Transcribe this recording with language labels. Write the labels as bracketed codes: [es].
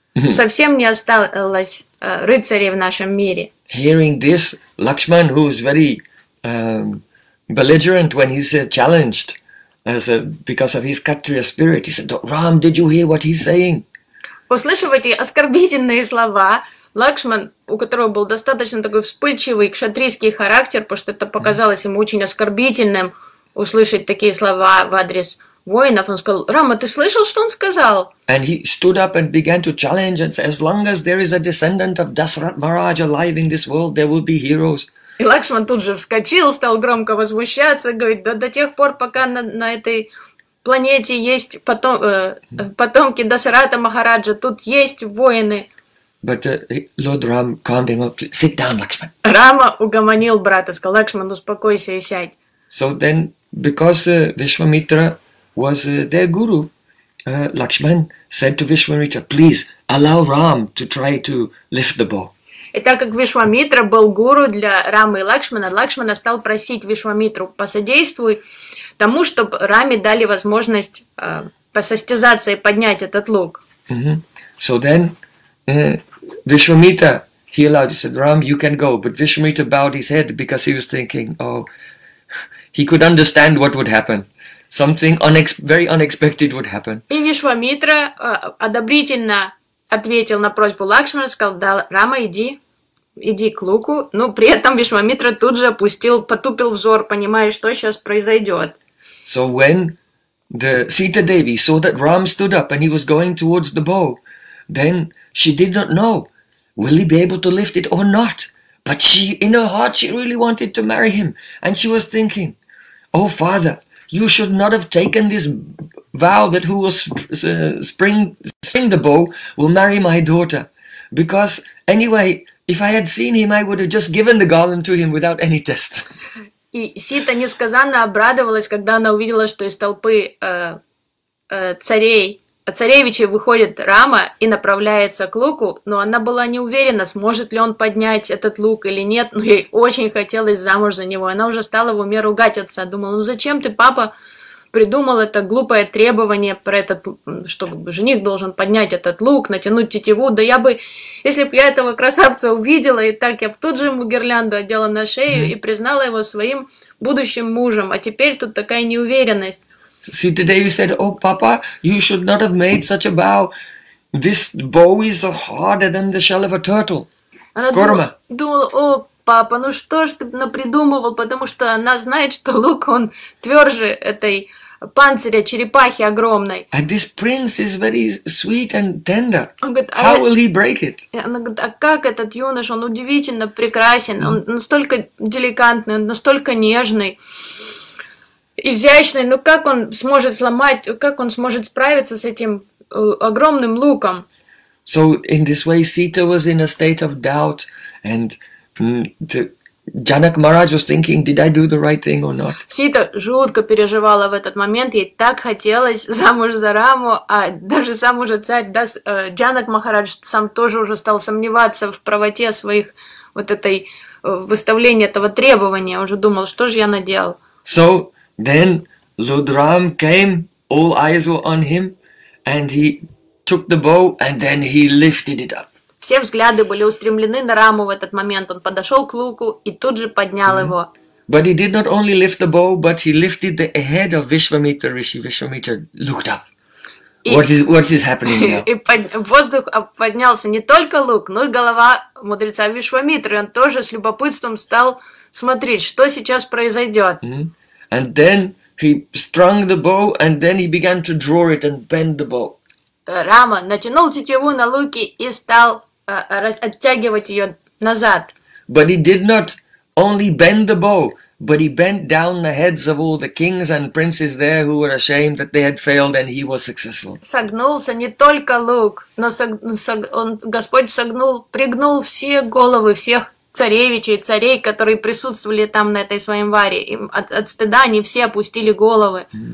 [ru] Совсем не осталось рыцарей в нашем мире. [en] Hearing this, Lakshman, who is very belligerent when he's challenged as a, because of his Kshatriya spirit, he said, Ram, did you hear what he's saying? [ru] Услышав эти оскорбительные слова, Лакшман, у которого был достаточно такой вспыльчивый кшатрийский характер, потому что это показалось ему очень оскорбительным услышать такие слова в адрес воинов, он сказал, Рама, ты слышал, что он сказал? [en] And he stood up and began to challenge and say, as long as there is a descendant of Dasarath Maharaj alive in this world, there will be heroes. [ru] И Лакшман тут же вскочил, стал громко возмущаться, говорит, да до тех пор, пока на этой планете есть потомки Дасаратха Махараджа, тут есть воины. [en] But Lord Ram calmed him up. Sit down, Lakshman. [ru] Рама угомонил брата, сказал, Лакшман, успокойся и сядь. [en] So then, because Вишвамитра was their guru, Lakshman said to Вишвамитра, please allow Ram to try to lift the bow. [ru] И так как Вишвамитра был гуру для Рамы и Лакшмана, Лакшман стал просить Вишвамитру, посодействуй тому, чтобы Раме дали возможность посостязаться и поднять этот лук. Mm-hmm. [en] So then, Vishwamitra, he allowed, he said, Ram, you can go. But Vishwamitra bowed his head because he was thinking, oh, he could understand what would happen. Something very unexpected would happen. [ru] И Вишвамитра одобрительно ответил на просьбу Лакшмана, сказал, да, Рама, иди к луку. Но при этом Вишвамитра тут же потупил взор, понимая, что сейчас произойдет. [en] So when the Sita Devi saw that Ram stood up and he was going towards the bow, then she did not know, will he be able to lift it or not? But she, in her heart, she really wanted to marry him. And she was thinking, oh father, you should not have taken this vow that who will spring the bow will marry my daughter. Because anyway, if I had seen him, I would have just given the garland to him without any test. [ru] И Сита несказанно обрадовалась, когда она увидела, что из толпы царей, а царевичи выходит Рама и направляется к луку, но она была не уверена, сможет ли он поднять этот лук или нет, но ей очень хотелось замуж за него. Она уже стала в уме ругать отца, думала, ну зачем ты, папа, придумал это глупое требование про этот, что жених должен поднять этот лук, натянуть тетиву, да я бы, если бы я этого красавца увидела, и так я бы тут же ему гирлянду одела на шею и признала его своим будущим мужем, а теперь тут такая неуверенность. [en] Sita Devi said, oh, Papa, you should not have made such a bow. This bow is harder than the shell of a turtle. [ru] Она думала, о, папа, ну что ж ты напридумывал, потому что она знает, что лук, он тверже этой панциря черепахи огромной. [en] And this prince is very sweet and tender. How will he break it? [ru] Она говорит, а как этот юноша, он удивительно прекрасен, он настолько деликатный, он настолько нежный. Изящный, но как он сможет сломать, как он сможет справиться с этим огромным луком. [en] So in this way, Sita was in a state of doubt, and Janak Maharaj was thinking, did I do the right thing or not? [ru] Сита жутко переживала в этот момент, ей так хотелось замуж за Раму, а даже сам уже царь, да, Джанак Махарадж сам тоже уже стал сомневаться в правоте своих, вот этой, выставления этого требования, уже думал, что же я наделал. [en] So then Ludram came, all eyes were on him, and he took the bow, and then he lifted it up. [ru] Все взгляды были устремлены на Раму в этот момент. Он подошел к луку и тут же поднял его. [en] But he did not only lift the bow, but he lifted the head of Vishwamitra. Rishi Vishwamitra looked up. What is happening now? [ru] И воздух поднялся не только лук, но и голова мудреца Вишвамитры. Он тоже с любопытством стал смотреть, что сейчас произойдет. [en] And then he strung the bow, and then he began to draw it and bend the bow. [ru] Рама натянул тетиву на луке и стал оттягивать ее назад. [en] But he did not only bend the bow, but he bent down the heads of all the kings and princes there who were ashamed that they had failed and he was successful. [ru] Согнулся не только лук, но он, Господь согнул, пригнул все головы всех царевичей, царей, которые присутствовали там на этой своем варе. От стыда они все опустили головы.